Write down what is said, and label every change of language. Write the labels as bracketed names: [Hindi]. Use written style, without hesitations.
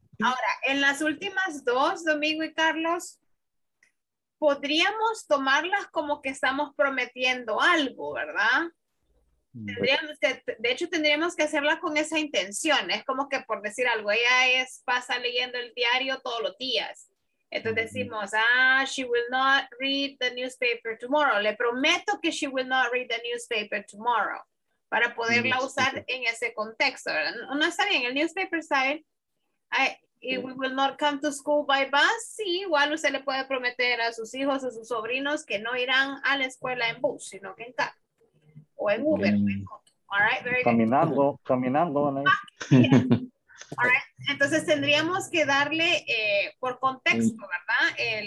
[Spanish] Ahora, en las últimas dos, Domingo y Carlos, podríamos tomarlas como que estamos prometiendo algo, ¿verdad? Tendríamos que, de hecho, tendríamos que hacerla con esa intención. Es como que por decir algo, ella es, pasa leyendo el diario todos los días. Entonces decimos, ah, [English] she will not read the newspaper tomorrow. [Spanish] Le prometo que [English] she will not read the newspaper tomorrow. [Spanish] Para poderla usar en ese contexto. ¿Verdad? No está bien, el newspaper está bien. [English] We will not come to school by bus. [Spanish] Sí, igual usted le puede prometer a sus hijos, a sus sobrinos, que no irán a la escuela en bus, sino que en carro. O en Uber. [English] All right, very [Spanish] caminando, [English] good. [Spanish] Caminando. ¿Vale? Yeah. All right. Entonces tendríamos que darle por contexto, ¿verdad?